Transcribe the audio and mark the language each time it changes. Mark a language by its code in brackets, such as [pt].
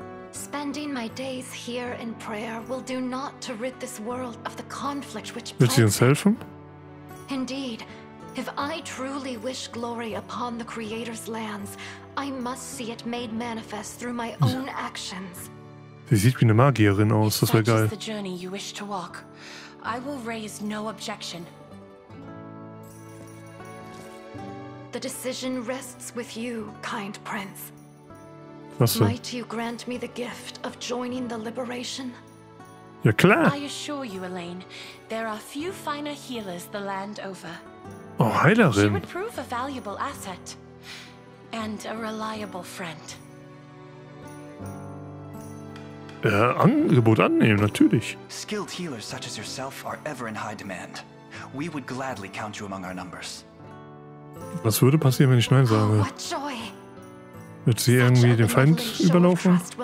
[en] Spending my days here in prayer will do naught to rid this world of the conflict which plagues. [de] Will sie uns helfen? [en] Indeed, if I truly wish glory upon the Creator's lands, I must see it made manifest through my own actions. [de] Sie sieht wie eine Magierin aus, das wäre geil. [en] If that is the journey you wish to walk, I will raise no objection. The decision rests with you, kind prince. [de] Was denn? [en] Might you grant me the gift of joining the Liberation? [de] Ja klar. [en] I assure you, Elaine, there are few finer healers the land over. [de] Oh, Heilerin. [en] She would prove a valuable asset and a reliable friend. [de] Angebot annehmen, natürlich. [en] Skilled healers such as yourself are ever in high demand. We would gladly count you among our numbers. [de] Was würde passieren, wenn ich Nein sage? Wird sie irgendwie den Feind überlaufen?